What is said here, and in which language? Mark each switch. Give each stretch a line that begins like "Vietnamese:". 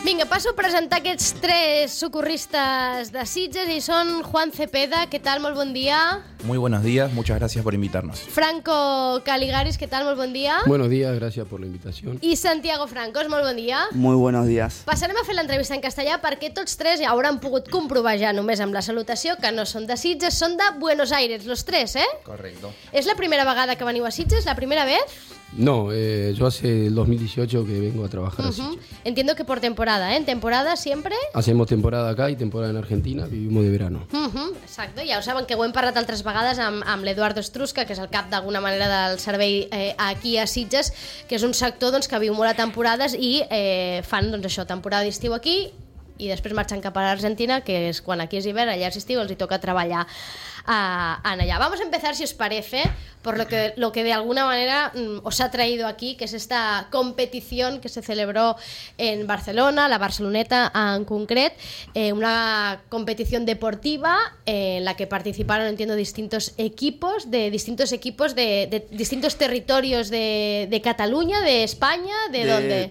Catalan: Passo a presentar aquests tres socorristes de Sitges i són Juan Cepeda, què tal, molt bon dia.
Spanish: Muy buenos días, muchas gracias por invitarnos.
Catalan: Franco Caligaris, què tal, molt bon dia.
Spanish: Buenos días, gracias por la invitación.
Catalan: I Santiago Francos, molt bon dia.
Spanish: Muy buenos días.
Catalan: Passarem a fer l'entrevista en castellà perquè tots tres ja hauran pogut comprovar ja només amb la salutació que no són de Sitges, són de Buenos Aires,
Spanish: los tres,
Catalan: eh?
Spanish: Correcto.
Catalan: És la primera vegada que veniu a Sitges,
Spanish: la primera vez? No, yo hace el 2018 que vengo a trabajar a Sitges. Entiendo que por temporada, ¿eh? ¿En temporada siempre? Hacemos temporada acá y temporada en Argentina, vivimos de verano. Exacto, ya os saben
Catalan: que ho hem parlat altres vegades amb l'Eduardo Estrusca, que és el cap d'alguna manera del servei aquí a Sitges, que és un sector doncs, que viu molt a temporades i fan doncs, això, temporada d'estiu aquí i després marxen cap a l'Argentina, que és quan aquí és hivern, allà és estiu, els hi toca treballar en allà.
Spanish: Vamos a empezar, si os parece, por lo que de alguna manera os ha traído aquí, que es esta competición que se celebró en Barcelona, la Barceloneta en concret, una competición deportiva en la que participaron, entiendo, distintos equipos de distintos territorios de Cataluña, de España, ¿de dónde?